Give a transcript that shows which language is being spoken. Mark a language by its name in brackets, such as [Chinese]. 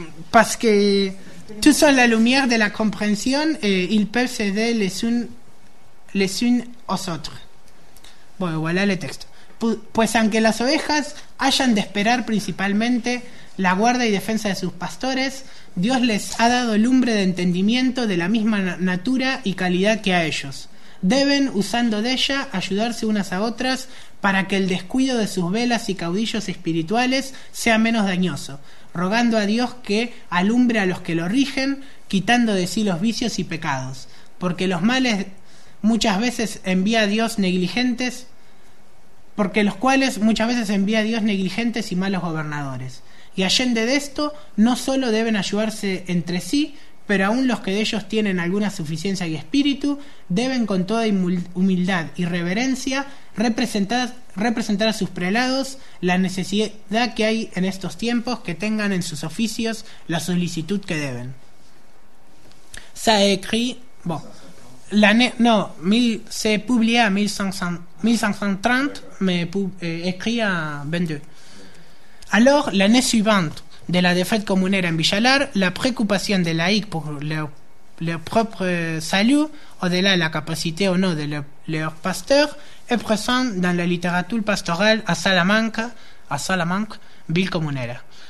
[French] Parce que tous sont la lumière de la compréhension et ils peuvent s'aider les unes aux autres. [Spanish] Bueno, [French] voilà le texte. [Spanish] Pues aunque las ovejas hayan de esperar principalmente la guarda y defensa de sus pastores, Dios les ha dado lumbre de entendimiento de la misma natura y calidad que a ellos. Deben, usando de ella, ayudarse unas a otras para que el descuido de sus velas y caudillos espirituales sea menos dañoso, rogando a Dios que alumbre a los que lo rigen, quitando de sí los vicios y pecados, porque los males muchas veces envía a Dios negligentes, porque los cuales muchas veces envía a Dios negligentes y malos gobernadores. Y allende de esto, no solo deben ayudarse entre sí, pero aún los que de ellos tienen alguna suficiencia y espíritu, deben con toda humildad y reverencia representar a sus prelados la necesidad que hay en estos tiempos, que tengan en sus oficios la solicitud que deben. [French] Ça écrit, bon, l'année, no, c'est publié en 1530, mais écrit en 22. Alors, l'année suivante de la défaite communaire en Villalar, la préoccupation des laïcs pour leur propre salut, au-delà de la capacité ou non de leur pasteur, est présente dans la littérature pastorale à Salamanque, ville communaire.